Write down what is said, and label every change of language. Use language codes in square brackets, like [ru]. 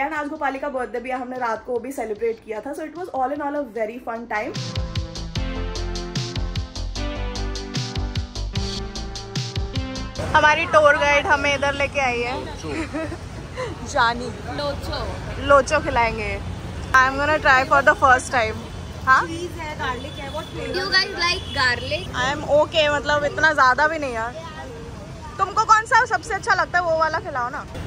[hi] And आज गोपाली का birthday भी हमने रात को भी सेलिब्रेट किया था. So it was all in all a very fun time. हमारी टूर गाइड हमें इधर लेके आई है. जानी लोचो खिलाएंगे. [en] I'm gonna try for the first time. Do you guys like garlic? [hi] I'm okay, मतलब इतना ज़्यादा भी नहीं यार. तुमको कौन सा सबसे अच्छा लगता है वो वाला खिलाओ ना.